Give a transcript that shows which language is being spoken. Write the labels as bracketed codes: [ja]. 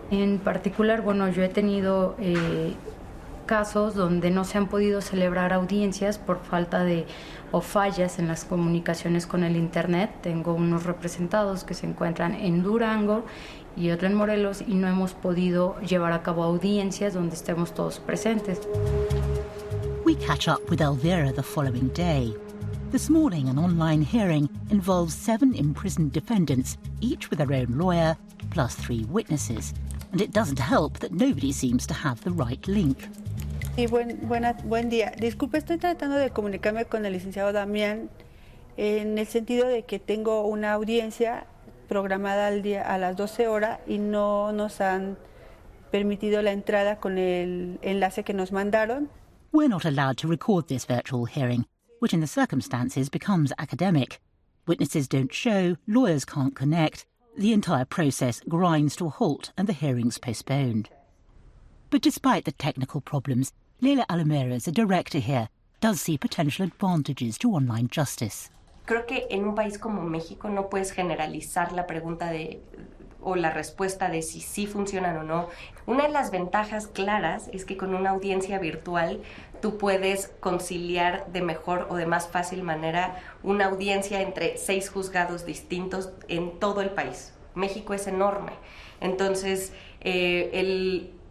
[es] En particular, bueno, yo he tenido casos donde no se han podido celebrar audiencias por falta de o fallas en las comunicaciones con el internet. Tengo unos representados que se encuentran en Durango y otro en Morelos y no hemos podido llevar a cabo audiencias donde estemos todos presentes. [en] We catch up with Elvira the following day. This morning, an online hearing involves 7 imprisoned defendants, each with their own lawyer, plus 3 witnesses. And it doesn't help that nobody seems to have the right link. [es] Sí, buen día. Disculpe, estoy tratando de comunicarme con el licenciado Damián en el sentido de que tengo una audiencia programada al día a las 12 horas y no nos han permitido la entrada con el enlace que nos mandaron. [en] We're not allowed to record this virtual hearing, which in the circumstances becomes academic. Witnesses don't show, lawyers can't connect. The entire process grinds to a halt and the hearing's postponed. But despite the technical problems, Leila Alamiras, a director here, does see potential advantages to online justice. [es] Creo que en un país como México no puedes generalizar la pregunta de o la respuesta de si sí funcionan o no. Una de las ventajas claras es que con una audiencia virtual tú puedes conciliar de mejor o de más fácil manera una audiencia entre 6 juzgados distintos en todo el país. México es enorme. Entonces, el